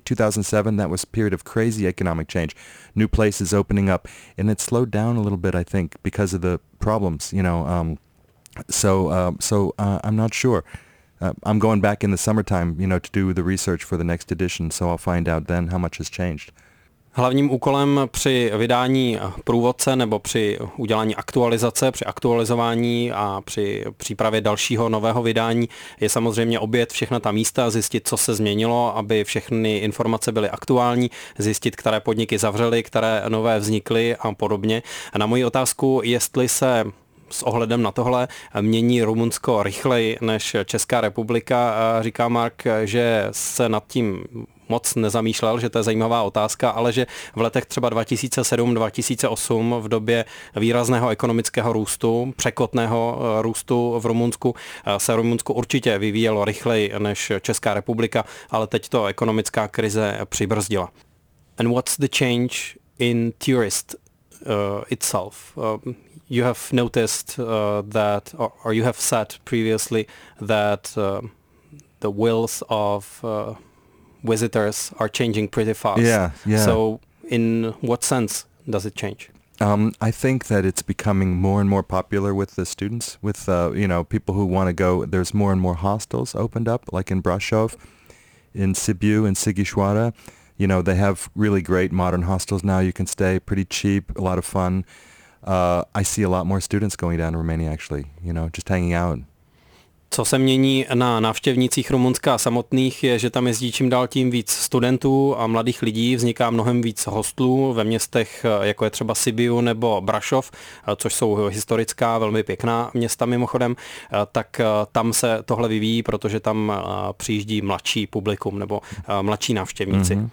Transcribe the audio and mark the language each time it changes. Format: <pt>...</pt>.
<en>2007, that was a period of crazy economic change. New places opening up. And it slowed down a little bit, I think, because of the problems, you know. I'm not sure. I'm going back in the summertime, you know, to do the research for the next edition, so I'll find out then how much has changed.</en> <cs>Hlavním úkolem při vydání průvodce nebo při udělání aktualizace, při aktualizování a při přípravě dalšího nového vydání je samozřejmě objet všechna ta místa, zjistit, co se změnilo, aby všechny informace byly aktuální, zjistit, které podniky zavřely, které nové vznikly a podobně. A na moji otázku, jestli se s ohledem na tohle mění Rumunsko rychleji než Česká republika. Říká Mark, že se nad tím moc nezamýšlel, že to je zajímavá otázka, ale že v letech třeba 2007-2008 v době výrazného ekonomického růstu, překotného růstu v Rumunsku, se Rumunsko určitě vyvíjelo rychleji než Česká republika, ale teď to ekonomická krize přibrzdila.</cs> <en>And what's the change in tourist itself. You have noticed that, or you have said previously that the wills of visitors are changing pretty fast. Yeah, yeah. So in what sense does it change? I think that it's becoming more and more popular with the students, with, you know, people who want to go. There's more and more hostels opened up, like in Brasov, in Sibiu, in Sighișoara. You know, they have really great modern hostels now. You can stay pretty cheap, a lot of fun. I see a lot more students going down to Romania, actually, you know, just hanging out.</en> <cs>Co se mění na návštěvnících Rumunska samotných, je, že tam jezdí čím dál tím víc studentů a mladých lidí, vzniká mnohem víc hostlů ve městech, jako je třeba Sibiu nebo Brasov, což jsou historická, velmi pěkná města mimochodem, tak tam se tohle vyvíjí, protože tam přijíždí mladší publikum nebo mladší návštěvníci.</cs>